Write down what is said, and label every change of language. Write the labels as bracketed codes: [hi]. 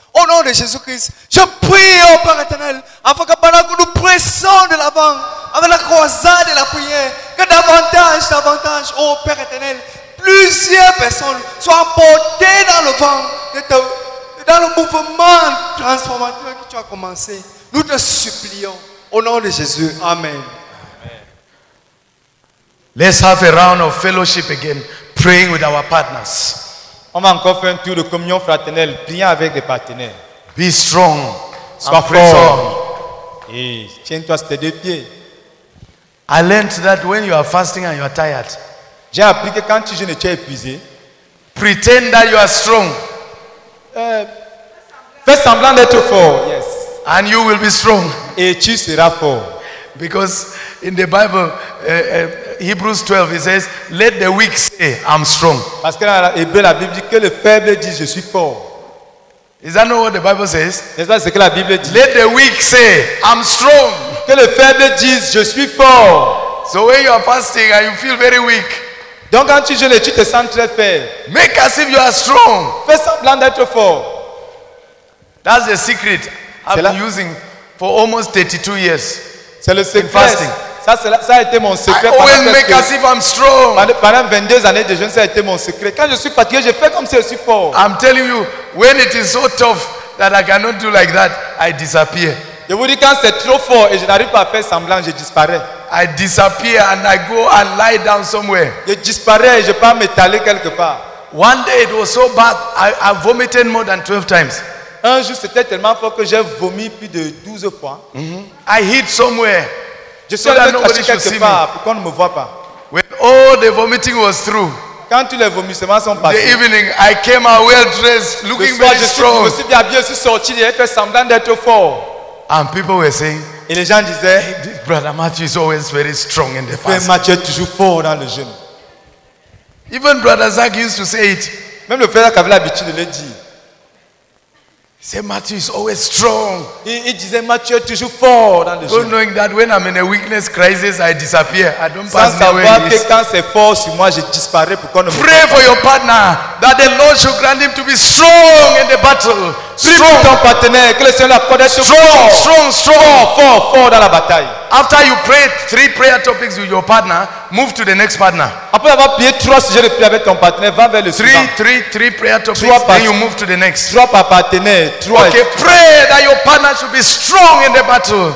[fr] Au nom de Jésus-Christ, je prie, oh Père éternel, afin que pendant que nous pressons de l'avant, avec la croisade et la prière, que davantage, davantage, oh Père éternel, plusieurs personnes soient portées dans le vent, dans le mouvement transformateur que tu as commencé. Nous te supplions, au nom de Jésus, amen. [en] Let's have a round of fellowship again, praying with our partners. [fr] On va encore faire un tour de communion fraternelle, priant avec des partenaires. [en] Be strong. [fr] Sois fort. Et tiens-toi sur tes deux pieds. [en] I learned that when you are fasting and you are tired, [fr] j'ai appris que quand tu jeûnes, tu es épuisé. [en] Pretend that you are strong. [fr] Fais semblant d'être fort. Yes. [en] And you will be strong. [fr] Et tu seras fort. [en] Because in the Bible, Hebrews 12, it says, "Let the weak say, 'I'm strong.'" [fr] Parce que dans la Bible dit que le faible dit, "Je suis fort." [en] Is that not what the Bible says? [fr] N'est-ce pas ce que la Bible dit? [en] Let the weak say, "I'm strong." [fr] Que le faible dise, "Je suis fort." [en] So when you are fasting and you feel very weak, [fr] donc quand tu jeûnes, tu te sens très faible. [en] Make as if you are strong. [fr] Fais semblant d'être fort. [en] That's the secret I've been using for almost 32 years. [fr] C'est le secret. Fasting. Ça a été mon secret. [en] I always make as if I'm strong. [fr] Pendant 22 années de jeûne, ça a été mon secret. Quand je suis fatigué, je fais comme si je suis fort. [en] I'm telling you, when it is so tough that I cannot do like that, I disappear. [fr] Je vous dis, quand c'est trop fort et je n'arrive pas à faire semblant, je disparais. [en] I disappear and I go and lie down somewhere. [fr] Je disparais et je pars m'étaler quelque part. [en] One day it was so bad, I vomited more than 12 times. [fr] Un jour, c'était tellement fort que j'ai vomi plus de 12 fois. [en] Mm-hmm. I hid somewhere. [fr] Je suis allé caché quelque part pour qu'on ne me voit pas. [en] When all the vomiting was through, [fr] quand tous les vomissements sont passés, [en] the evening, I came out well dressed, looking very strong. [fr] Je suis bien habillé, je suis sorti, j'ai fait semblant d'être fort. [en] And people were saying, [fr] et les gens disaient, [en] hey, Brother Mathew is always very strong in the fast. [fr] Frère Mathew est toujours fort dans le jeûne. [en] Even Brother Zach used to say it. [fr] Même le frère Zach avait l'habitude de le dire. [en] He said, Mathew is always strong. [fr] Il disait, Mathew est toujours fort dans le jeûne. [en] Not knowing that when I'm in a weakness crisis, I disappear. I don't pass [fr] sans savoir [en] anywhere [fr] que quand c'est fort sur moi, je disparais pour qu'on ne [en] pray me... for your partner that the Lord should grant him to be strong in the battle. strong, [fr] ton partenaire, que le Seigneur accorde [en] strong, strong, strong, strong, [fr] fort, fort dans la bataille. [en] After you pray three prayer topics with your partner, move to the next partner. [fr] Après avoir prié trois sujets de prière avec ton partenaire, va vers le [en] suivant. Three prayer topics. Then you move to the next. [fr] Trois par partenaire, trois. [en] Okay, pray that your partner should be strong in the battle.